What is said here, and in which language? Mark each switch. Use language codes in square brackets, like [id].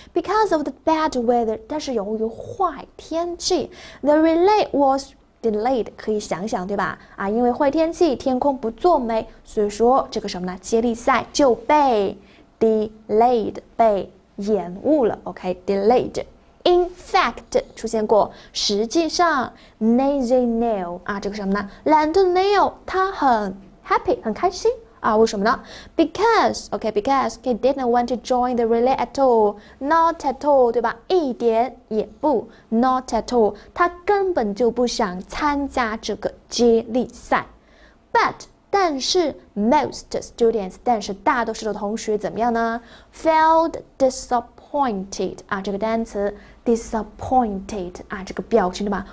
[en] Because of the bad weather, [zh] 但是由于坏天气 [en] ，the relay was delayed. [zh] 可以想想，对吧？啊，因为坏天气，天空不作美，所以说这个什么呢？接力赛就被。Delayed 被延误了 ， [en] OK. Delayed. In fact [zh] 出现过，实际上 ，Lazy Neil 啊，这个什么呢？懒惰 Neil 他很 happy 很开心啊，为什么呢 ？ [en] Because OK. Because he didn't want to join the relay at all. Not at all [zh] 对吧？一点也不 [en] ，Not at all. [zh] 他根本就不想参加这个接力赛 ， [en] But. [zh] 但是 [en] most students， [zh] 但是大多数的同学怎么样呢 ？ [en] Felt disappointed [zh] 啊，这个单词 disappointed 啊，这个表情对吧？